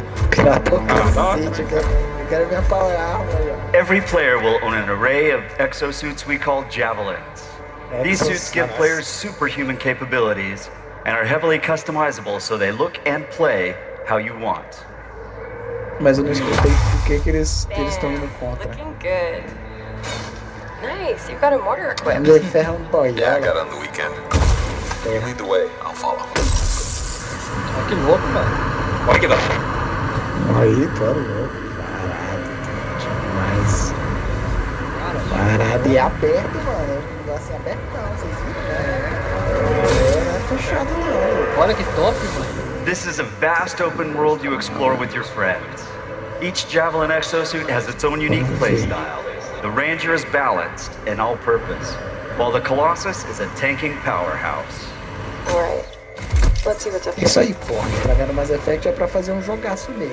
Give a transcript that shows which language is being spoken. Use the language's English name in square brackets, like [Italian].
[Portuguese] Pirata, eu quero ver a power armor. [English] Every player will own an array of exosuits we call javelins. These suits give players superhuman capabilities and are heavily customizable so they look and play how you want. [Portuguese] Mas eu não escutei por que eles estão indo contra. [English] Looking good. Nice, you got a mortar equipped. Yeah, I got on the weekend. You lead the way, I'll follow. [Portuguese] Olha que louco, mano. Olha que dá. Aí, claro, louco. Parado, demais. Parado e aberto, mano. O negócio é abertão, vocês viram? É puxado, mano. Olha que top, mano. [English] This is a vast open world you explore with your friends. Each javelin exosuit has its own unique playstyle. The Ranger is balanced and all-purpose, while the Colossus is a tanking powerhouse. Alright. Let's see what's up. [Portuguese] Isso aí, porra. Jogando Mass Effect é pra fazer um jogaço mesmo.